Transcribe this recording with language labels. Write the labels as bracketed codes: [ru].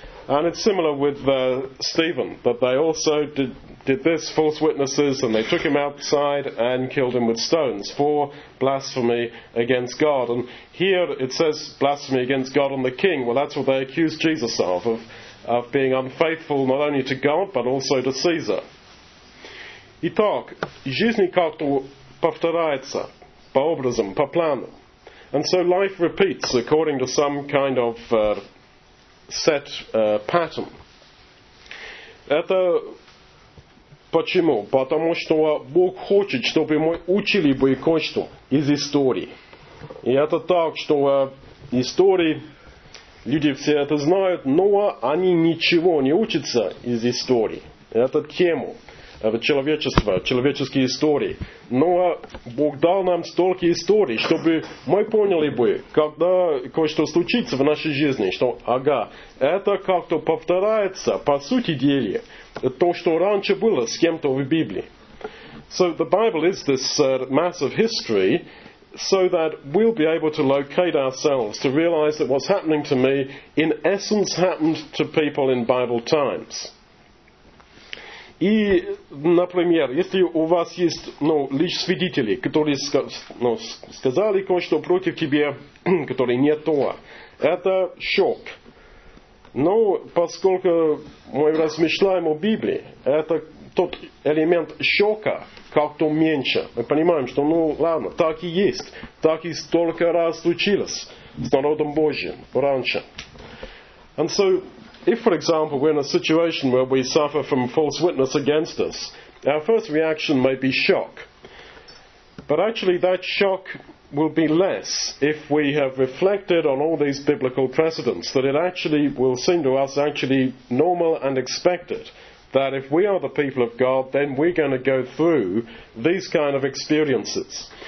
[en] And it's similar with Stephen, that they also did this, false witnesses, and they took him outside and killed him with stones for blasphemy against God. And here it says blasphemy against God and the king. Well, that's what they accused Jesus of being unfaithful not only to God, but also to Caesar. [ru] Итак, жизнь как-то повторяется по образам, по плану. [en] And so life repeats according to some kind of set pattern. [ru] Это почему? Потому что Бог хочет, чтобы мы учили бы кое-что из истории. И это так, что истории, люди все это знают, но они ничего не учатся из истории. Это тему человечества, человеческой истории. Но Бог дал нам столько историй, чтобы мы поняли бы, когда кое-что случится в нашей жизни, что, ага, это как-то повторяется, по сути дела, то, что раньше было с кем-то в Библии. [en] So the Bible is this mass of history so that we'll be able to locate ourselves, to realize that what's happening to me in essence happened to people in Bible times. [ru] И, например, если у вас есть ну, лишь свидетели, которые сказали кое-что против тебя, которые не то, это шок. Но поскольку мы размышляем о Библии, это тот элемент шока как-то меньше. Мы понимаем, что ну ладно, так и есть. Так и столько раз случилось с народом Божьим раньше. [en] And so, if, for example, we're in a situation where we suffer from false witness against us, our first reaction may be shock. But actually, that shock will be less if we have reflected on all these biblical precedents, that it actually will seem to us actually normal and expected that if we are the people of God, then we're going to go through these kind of experiences.